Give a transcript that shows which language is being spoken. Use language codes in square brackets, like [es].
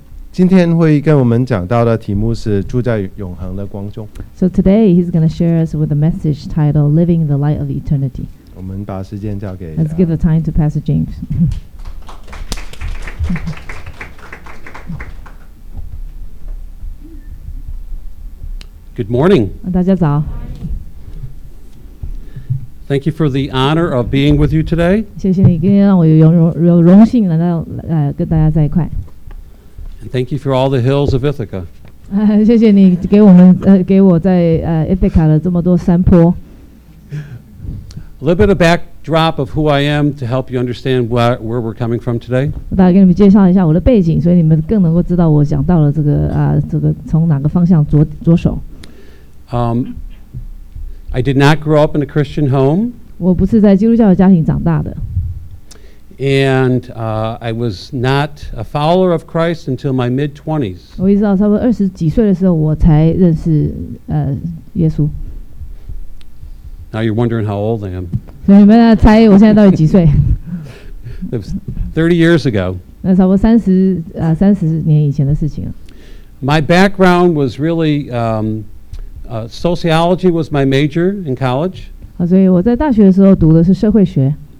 [zh] 今天会跟我们讲到的题目是住在永恒的光中。 [en] So today he's going to share us with a message titled Living in the Light of Eternity. [zh] 我们把时间交给。 [en] Let's give the time to Pastor James. Good morning. [zh] 大家早。 [en] Thank you for the honor of being with you today. [zh] 谢谢你今天让我有荣幸能够跟大家在一块。 [en] And thank you for all the hills of Ithaca. [zh] 谢谢你给我们给我在Ithaca 的这么多山坡。 [en] A little bit of backdrop of who I am to help you understand where we're coming from today. [zh] 我大概给你们介绍一下我的背景，所以你们更能够知道我讲到了这个从哪个方向着手。 [en] I did not grow up in a Christian home. [zh] 我不是在基督教的家庭长大的。 [en] And I was not a follower of Christ until my mid-20s. [zh] 我一直到差不多二十几岁的时候，我才认识耶稣。 [en] Now you're wondering how old I am. [zh] 所以你们猜我现在到底几岁？ [en] It was 30 years ago. [zh] 那差不多三十年以前的事情了。 [en] My background was really sociology was my major in college. [zh] 所以我在大学的时候读的是社会学。